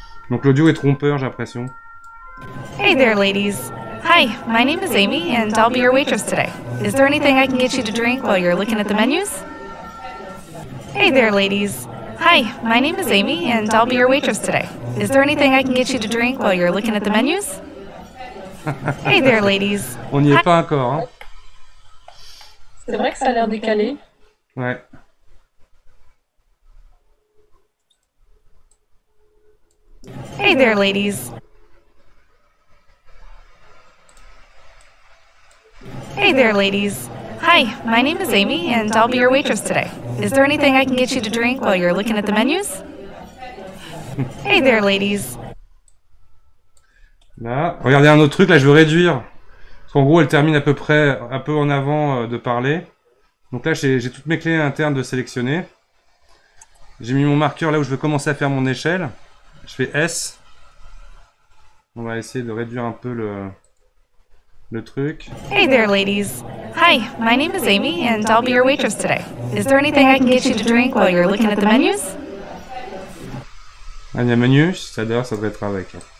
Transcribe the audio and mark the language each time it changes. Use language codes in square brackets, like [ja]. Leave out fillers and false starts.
[fr] Donc l'audio est trompeur, j'ai l'impression. [en] Hey there, ladies. Hi, my name is Amy and I'll be your waitress today. Is there anything I can get you to drink while you're looking at the menus? Hey there, ladies. Hi, my name is Amy and I'll be your waitress today. Is there anything I can get you to drink while you're looking at the menus? Hey there, ladies. [fr] On n'y est pas encore, hein. C'est vrai que ça a l'air décalé. Ouais. [en] Hey there, ladies. Hey there, ladies. Hi, my name is Amy, and I'll be your waitress today. Is there anything I can get you to drink while you're looking at the menus? Hey there, ladies. [fr] Là, regardez un autre truc, là, je veux réduire. Parce qu'en gros, elle termine à peu près, un peu en avant de parler. Donc là, j'ai toutes mes clés internes de sélectionner. J'ai mis mon marqueur là où je veux commencer à faire mon échelle. Je fais S. On va essayer de réduire un peu le truc. [en] Hey there, ladies. Hi, my name is Amy, and I'll be your waitress today. Is there anything I can get you to drink while you're looking at the menus? [fr] Un menu, ça d'ailleurs, ça devrait être avec.